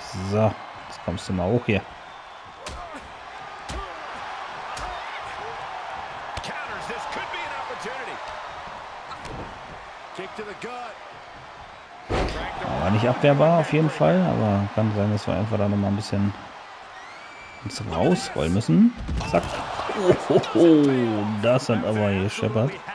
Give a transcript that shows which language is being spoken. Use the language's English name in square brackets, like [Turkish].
[German] So, jetzt kommst du mal hoch hier. [English] Counters, this could be an opportunity. Kick to the gut. [German] War nicht abwehrbar auf jeden Fall, aber kann sein, dass wir einfach da nochmal ein bisschen uns rausrollen müssen. Zack. Ohoho, das hat aber hier scheppert.